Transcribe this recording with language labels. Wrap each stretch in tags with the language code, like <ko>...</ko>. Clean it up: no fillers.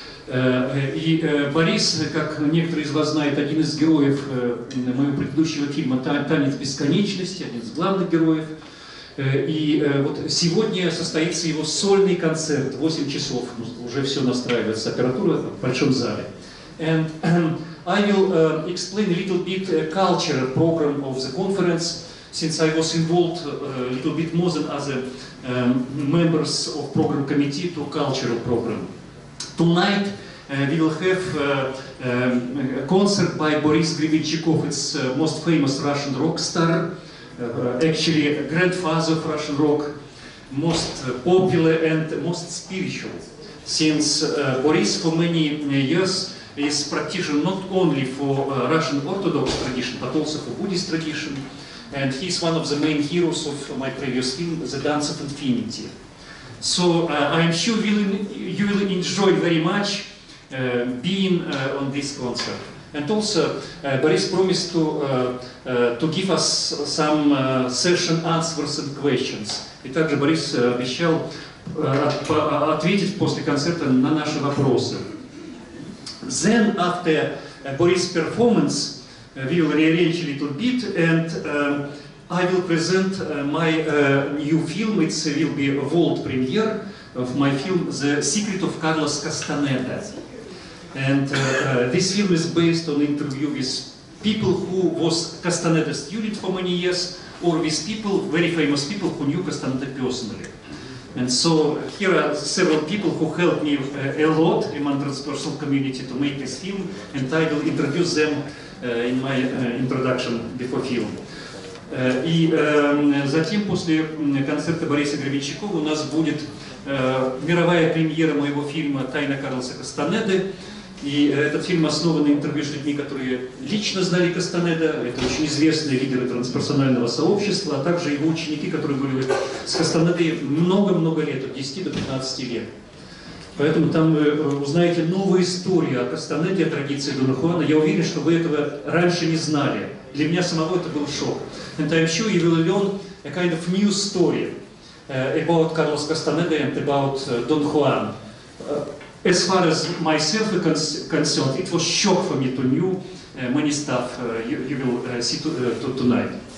<ru>И Борис, как некоторые из вас знают, один из героев моего предыдущего фильма «Танец бесконечности», один из главных героев. И вот сегодня состоится его сольный концерт, 8 часов, уже все настраивается, аппаратура в большом зале.</ru> <en>And I will explain a little bit culture program of the conference, since I was involved a little bit more than other members of program committee to cultural program. Tonight we will have a concert by Boris Gribenchikov, it's most famous Russian rock star. Actually, grandfather of Russian rock, most popular and most spiritual, since Boris for many years is practitioner not only for Russian Orthodox tradition, but also for Buddhist tradition, and he is one of the main heroes of my previous film, The Dance of Infinity. So I'm sure you will enjoy very much being on this concert. And also, Boris promised to give us some session answers and questions.</en> <ru>И также Борис обещал ответить после концерта на наши вопросы.</ru> <en>Then, after Boris' performance, we will rearrange a little bit, and I will present my new film. It will be a world premiere of my film, The Secret of Carlos Castaneda. And this film is based on interview with people who was Castaneda's student for many years, or with people, very famous people, who knew Castaneda personally. And so here are several people who helped me a lot among the transpersonal community to make this film, and I will introduce them in my introduction before film.</en> <ru>И затем, после концерта Бориса Гребенщикова, у нас будет мировая премьера моего фильма «Тайна Карлоса Кастанеды». И этот фильм основан на интервью с людьми, которые лично знали Кастанеда. Это очень известные лидеры трансперсонального сообщества, а также его ученики, которые были с Кастанедой много-много лет, от 10 до 15 лет. Поэтому там вы узнаете новую историю о Кастанеде, о традиции Дона Хуана. Я уверен, что вы этого раньше не знали. Для меня самого это был шок.</ru> <en>And I'm sure you will learn a kind of new story about Carlos Castaneda and about Don Juan. As far as myself is concerned, it was shock for me to know many stuff you will see tonight.</en>